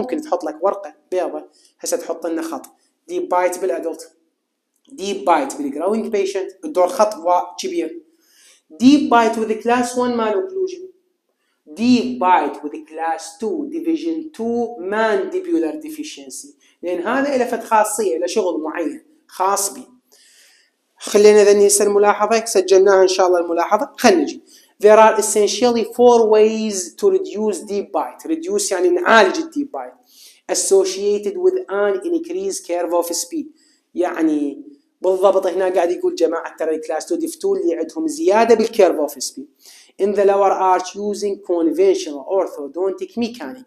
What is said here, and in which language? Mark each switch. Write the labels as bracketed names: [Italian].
[Arabic] ممكن تحط لك ورقه بيضة هسه تحط لنا خط ديب بايت بالادلت، ديب بايت بالجروينج بيشنت، الدور خط كبير، ديب بايت وذ كلاس 1 مال اوكلوجن، ديب بايت وذ كلاس 2 ديفيجن 2 مانديبولار ديفيشنسي. لان هذا له فد خاصيه، له شغل معين خاص بي. خلينا ذني هسه الملاحظه سجلناها ان شاء الله الملاحظه، خلينا نجي. [English] There are essentially four ways to reduce deep bite. [Arabic] Reduce يعني نعالج الديب بايت. [English] Associated with an increased curve of speed. [Arabic] يعني بالضبط هنا قاعد يقول جماعة ترى الكلاس 2 ديف 2 اللي عندهم زيادة بالكيرف اوف سبيد. [English] In the lower arch using conventional orthodontic mechanics.